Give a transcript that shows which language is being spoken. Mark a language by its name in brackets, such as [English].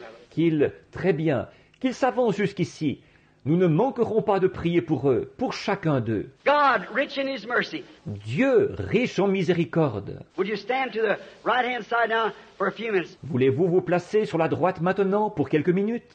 [French] Qu'ils s'avancent jusqu'ici. Nous ne manquerons pas de prier pour eux, pour chacun d'eux. [English] God, rich in his mercy. [French] Dieu, riche en miséricorde. [English] Would you stand to the right-hand side now for a few minutes? [French] Voulez-vous vous placer sur la droite maintenant pour quelques minutes?